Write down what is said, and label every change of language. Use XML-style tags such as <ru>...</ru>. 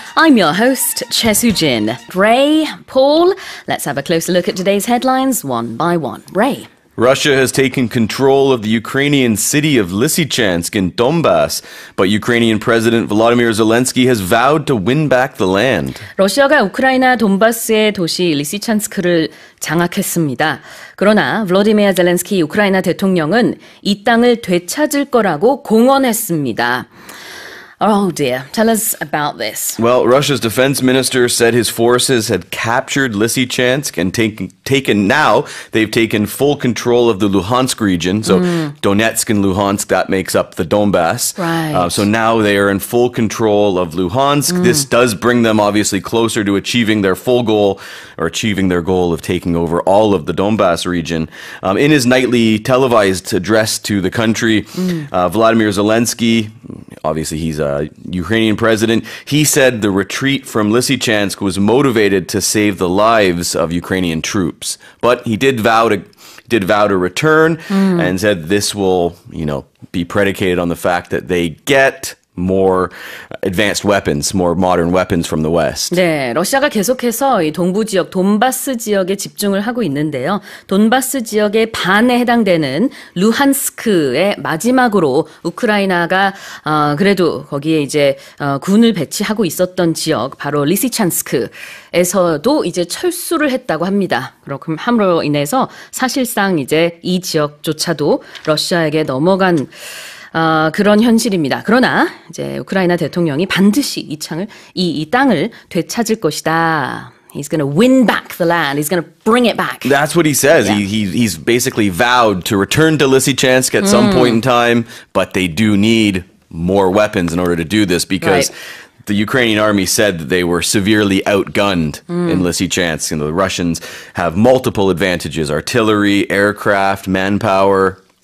<en>I'm your host, 최수진. Ray, Paul, let's have a closer look at today's headlines one by one. Ray. Russia has taken control of the Ukrainian city of Lysychansk in Donbas, but Ukrainian President Volodymyr Zelensky has vowed to win back the land.</en> <ko>러시아가 우크라이나 돈바스의 도시 리시찬스크를 장악했습니다. 그러나 볼로디미르 젤렌스키 우크라이나 대통령은 이 땅을 되찾을 거라고 공언했습니다.</ko> <en>Oh dear, tell us about this. Well, Russia's defense minister said his forces had captured Lysychansk and taken full control of the Luhansk region. So Donetsk and Luhansk, that makes up the Donbas. Right. So now they are in full control of Luhansk. This does bring them obviously closer to achieving their full goal or achieving their goal of taking over all of the Donbas region. In his nightly televised address to the country, Volodymyr Zelensky, obviously he's Ukrainian president, he said the retreat from Lysychansk was motivated to save the lives of Ukrainian troops. But he did vow to return and said this will, you know, be predicated on the fact that they get more advanced weapons, more modern weapons from the West.</en> <ko>네, 러시아가 계속해서 이 동부 지역, 돈바스 지역에 집중을 하고 있는데요. 돈바스 지역의 반에 해당되는 루한스크의 마지막으로 우크라이나가 그래도 거기에 이제 군을 배치하고 있었던 지역, 바로 리시찬스크에서도 이제 철수를 했다고 합니다. 그럼 함으로 인해서 사실상 이제 이 지역조차도 러시아에게 넘어간 그런 현실입니다. 그러나 이제 우크라이나 대통령이 반드시 이 창을 이 땅을 되찾을 것이다.</ko> <en>He's going to win back the land. He's going to bring it back. That's what he says. Yeah. He's basically vowed to return to Lysychansk at some point in time, but they do need more weapons in order to do this because right. The Ukrainian army said that they were severely outgunned in Lysychansk. You know, the Russians have multiple advantages: artillery, aircraft, manpower,</en>